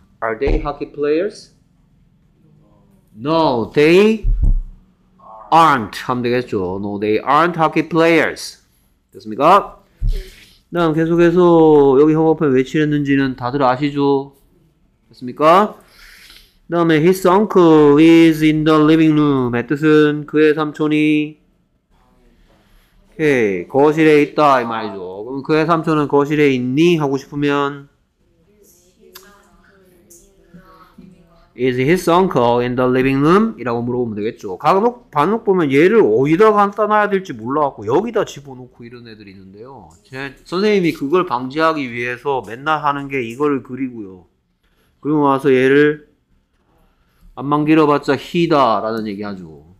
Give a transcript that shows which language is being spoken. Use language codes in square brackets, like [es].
[en] Are they hockey players? No, they aren't. [ko] 하면 되겠죠. [en] No, they aren't hockey players. [ko] 됐습니까? 다음 계속해서 여기 협업회 왜 칠했는지는 다들 아시죠? 됐습니까? 다음에 [en] His uncle is in the living room. [ko] 의 뜻은 그의 삼촌이 오케이. 거실에 있다 이 말이죠. 그럼 그의 삼촌은 거실에 있니? 하고 싶으면 [en] Is his uncle in the living room? [ko] 이라고 물어보면 되겠죠. 간혹 반혹 보면 얘를 어디다 갖다 놔야 될지 몰라갖고 여기다 집어넣고 이런 애들이 있는데요. 제 선생님이 그걸 방지하기 위해서 맨날 하는 게 이거를 그리고요. 그리고 와서 얘를 안만 길어봤자 he다 라는 얘기하죠.